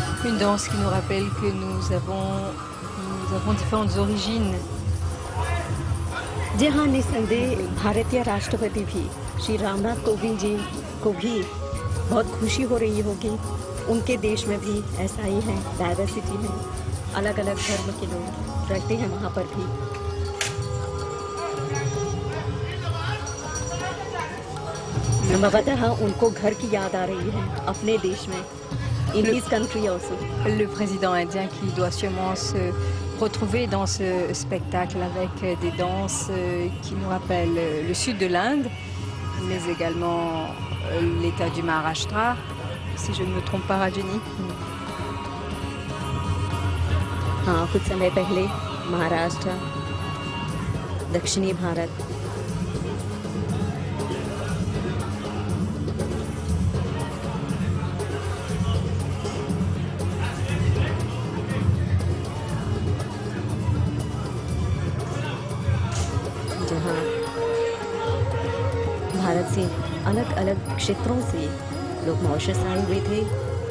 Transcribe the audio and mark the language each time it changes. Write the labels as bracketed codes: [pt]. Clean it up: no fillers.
[fr] une danse qui nous rappelle que nous avons différentes origines [hi] जहां निसंदेह भारतीय राष्ट्रपति भी श्री रामनाथ कोविंद जी को भी बहुत खुशी हो रही होगी उनके देश में भी ऐसा ही है डाइवर्सिटी में अलग अलग धर्म के लोग रहते हैं वहाँ पर भी मगतः उनको घर की याद आ रही है अपने देश में [en] in this country also [fr] le président indien qui doit sûrement se retrouver dans ce spectacle avec des danses qui nous rappellent le sud de l'Inde mais également l'état du Maharashtra, si je ne me trompe pas, Rajani. [hi] हाँ कुछ समय पहले महाराष्ट्र दक्षिणी भारत अलग-अलग क्षेत्रों से लोग Mauritius आए हुए थे